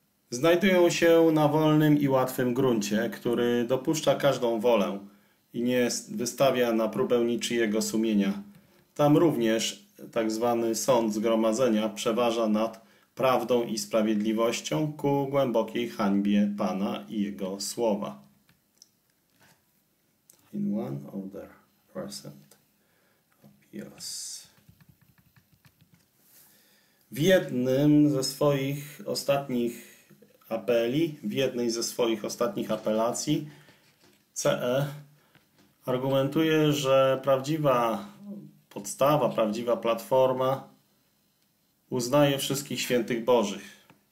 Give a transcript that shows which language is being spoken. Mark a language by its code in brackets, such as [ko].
[pl] Znajdują się na wolnym i łatwym gruncie, który dopuszcza każdą wolę i nie wystawia na próbę niczyjego sumienia. Tam również tak zwany sąd zgromadzenia przeważa nad prawdą i sprawiedliwością ku głębokiej hańbie Pana i Jego słowa. [en] In one of their present appeals. [pl] W jednym ze swoich ostatnich apeli, w jednej ze swoich ostatnich apelacji CE argumentuje, że prawdziwa podstawa, prawdziwa platforma uznaje wszystkich świętych Bożych.